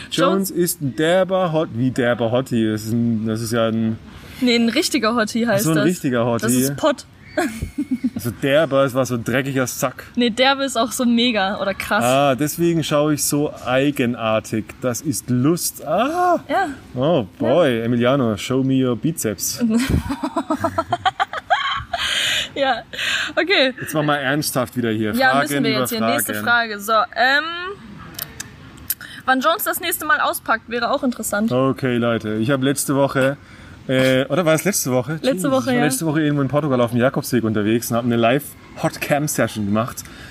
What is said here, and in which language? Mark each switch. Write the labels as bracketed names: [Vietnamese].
[German] Jones ist ein derber Hottie. Wie derber Hottie? Das ist ja ein... Nee, ein richtiger Hottie heißt das. So ein richtiger Hottie. Das ist Pott. Also derbe, es war so ein dreckiger Sack. Nee, derbe ist auch so mega oder krass. Ah, deswegen schaue ich so eigenartig. Das ist Lust. Ah! Ja. [English] Oh boy, [German] ja. [English] Emiliano, show me your Bizeps. [German] Ja, okay. Jetzt machen wir mal ernsthaft wieder hier. Ja, müssen wir jetzt hier. Fragen. Nächste Frage. So, wann Jones das nächste Mal auspackt, wäre auch interessant. Okay, Leute, ich habe letzte Woche... oder war es letzte Woche? Letzte Woche irgendwo in Portugal auf dem Jakobsweg unterwegs und habe eine Live-Hot-Cam-Session gemacht.